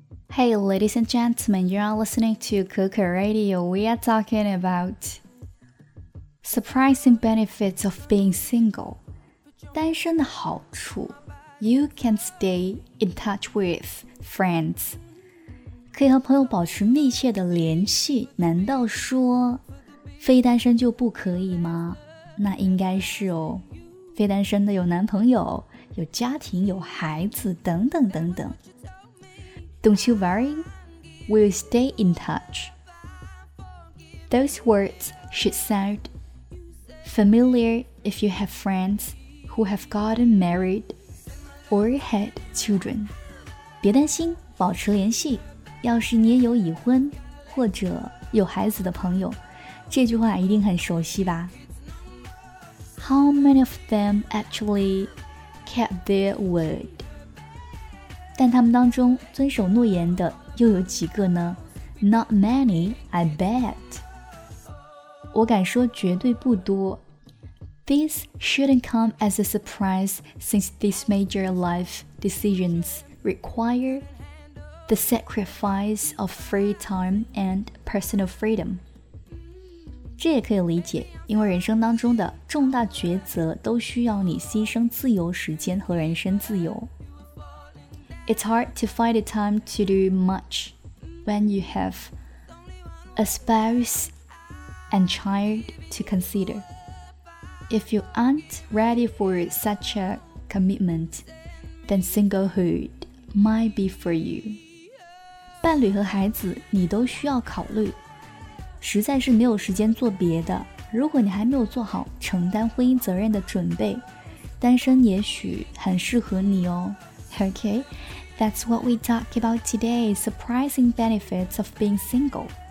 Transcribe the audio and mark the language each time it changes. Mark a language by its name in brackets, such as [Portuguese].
[English] Hey, ladies and gentlemen, you are listening to Cooker Radio. We are talking about surprising benefits of being single. [Chinese] 单身的好处 [English] You can stay in touch with friends. [Chinese] 可以和朋友保持密切的联系。难道说非单身就不可以吗？那应该是哦。非单身的有男朋友，有家庭，有孩子，等等等等。 [English] Don't you worry, we'll stay in touch. Those words should sound familiar if you have friends who have gotten married or had children. [Chinese] 别担心，保持联系。要是你也有已婚或者有孩子的朋友，这句话一定很熟悉吧。 [English] How many of them actually kept their word? [Chinese] 但他们当中遵守诺言的又有几个呢？ [English] Not many, I bet. [Chinese] 我敢说绝对不多。 [English] This shouldn't come as a surprise since these major life decisions require the sacrifice of free time and personal freedom. [Chinese] 这也可以理解，因为人生当中的重大抉择都需要你牺牲自由时间和人身自由。 [English] It's hard to find the time to do much when you have a spouse and child to consider. If you aren't ready for such a commitment, then singlehood might be for you. [Chinese] 伴侣和孩子你都需要考虑，实在是没有时间做别的。如果你还没有做好承担婚姻责任的准备，单身也许很适合你哦。 [English] Okay, that's what we talk about today. Surprising benefits of being single.